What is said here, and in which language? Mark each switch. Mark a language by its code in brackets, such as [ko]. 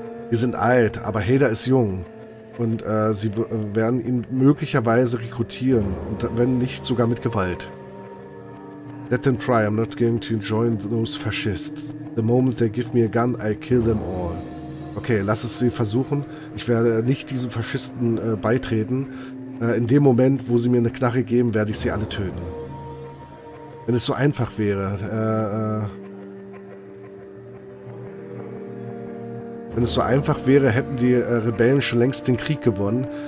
[de] Wir sind alt, aber Heda ist jung. Und sie werden ihn möglicherweise rekrutieren, und wenn nicht, sogar mit Gewalt. [en] Let them try, I'm not going to join those fascists. The moment they give me a gun, I kill them all. [de] Okay, lass es sie versuchen. Ich werde nicht diesen Faschisten beitreten. In dem Moment, wo sie mir eine Knarre geben, werde ich sie alle töten. Wenn es so einfach wäre. Wenn es so einfach wäre, hätten die Rebellen schon längst den Krieg gewonnen.